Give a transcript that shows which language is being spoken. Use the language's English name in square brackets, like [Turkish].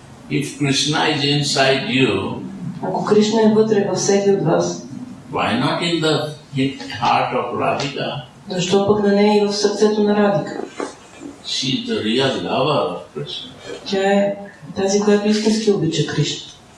[English] If Krishna is inside you, [Bulgarian] ако Кришна е вътре във всеки от вас, [English] why not in the heart of Radhika? [Bulgarian] Защо пък да не е и в сърцето на Радика? [English] She is the real lover of Krishna. [Bulgarian] Тя е тази, която истински обича Кришна.